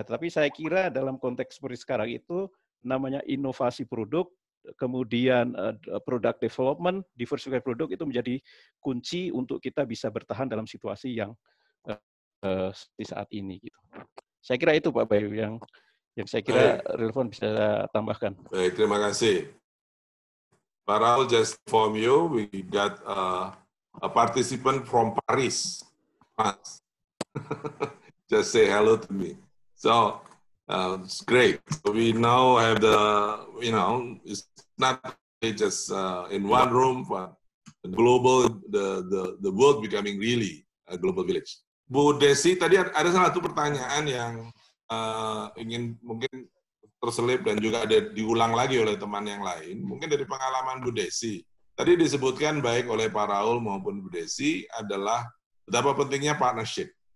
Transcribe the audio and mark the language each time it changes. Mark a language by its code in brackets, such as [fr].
[id] Tapi saya kira dalam konteks seperti sekarang itu namanya inovasi produk, kemudian product development, diversified produk itu menjadi kunci untuk kita bisa bertahan dalam situasi yang seperti saat ini. Gitu. Saya kira itu Pak Bayu yang saya kira relevan bisa tambahkan. Baik, terima kasih. [en] But I'll just inform you, we got a participant from Paris. Just say hello to me. So, it's great. So we now have the, you know, it's not just in one room, but global, the world becoming really a global village. [id] Bu Desi, tadi ada salah satu pertanyaan yang ingin mungkin terselip dan juga ada diulang lagi oleh teman yang lain, mungkin dari pengalaman Bu Desi. Tadi disebutkan baik oleh Pak Raul maupun Bu Desi adalah betapa pentingnya partnership.